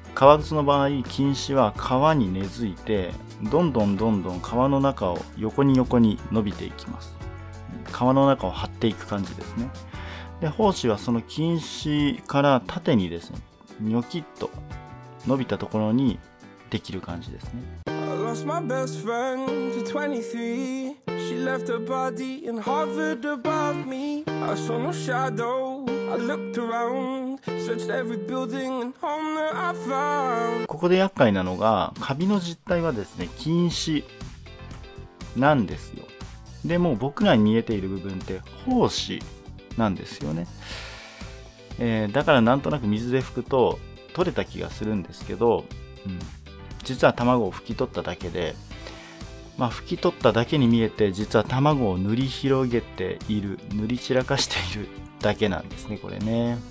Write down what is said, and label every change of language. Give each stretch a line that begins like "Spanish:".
Japanese: 革靴の場合、菌糸は革に根付いて、どんどんどんどん革の中を横に横に伸びていきます。革の中を張っていく感じですね。で、胞子はその菌糸から縦にですね、ニョキッと伸びたところにできる感じですね。
English: I lost my best friend to 23. She left her body and hovered above me. I saw no shadow. I looked around, searched every building and home that I found.
Japanese: ここで厄介なのが、カビの実態はですね、菌糸なんですよ。でも僕らに見えている部分って胞子なんですよね。だからなんとなく水で拭くと取れた気がするんですけど、うん、実は卵を拭き取っただけで、まあ、拭き取っただけに見えて実は卵を塗り広げている、塗り散らかしているだけなんですね、これね。